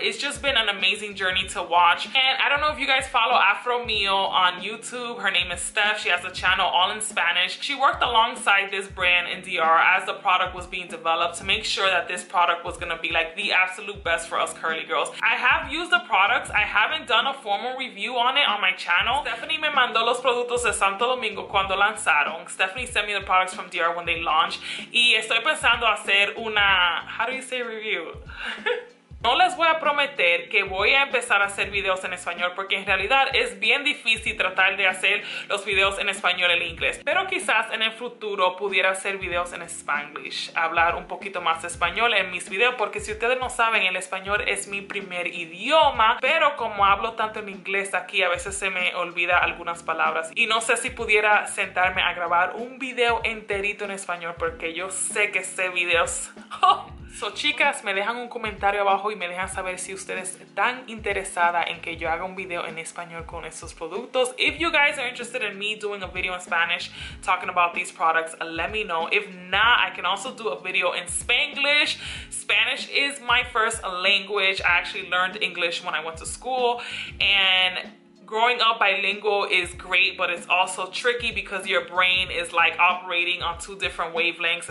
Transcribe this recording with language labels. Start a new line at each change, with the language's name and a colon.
English: It's just been an amazing journey to watch. And I don't know if you guys follow Afro Mio on YouTube. Her name is Steph. She has a channel all in Spanish. She worked alongside this brand in DR as the product was being developed to make sure that this product was gonna be, like, the absolute best for us curly girls. I have used the products. I haven't done a formal review on it on my channel.
Spanish: Stephanie me mandó los productos de Santo Domingo cuando lanzaron.
English: Stephanie sent me the products from DR when they launched.
Spanish: Y estoy pensando hacer una,
English: how do you say, review?
Spanish: No les voy a prometer que voy a empezar a hacer videos en español, porque en realidad es bien difícil tratar de hacer los videos en español y en inglés. Pero quizás en el futuro pudiera hacer videos en Spanglish, hablar un poquito más español en mis videos, porque si ustedes no saben, el español es mi primer idioma, pero como hablo tanto en inglés aquí, a veces se me olvida algunas palabras. Y no sé si pudiera sentarme a grabar un video enterito en español, porque yo sé que sé videos. So, chicas, me dejan un comentario abajo y me dejan saber si ustedes están interesadas en que yo haga un video en español con estos productos.
English: If you guys are interested in me doing a video in Spanish talking about these products, let me know. If not, I can also do a video in Spanglish. Spanish is my first language. I actually learned English when I went to school. And growing up bilingual is great, but it's also tricky because your brain is like operating on two different wavelengths.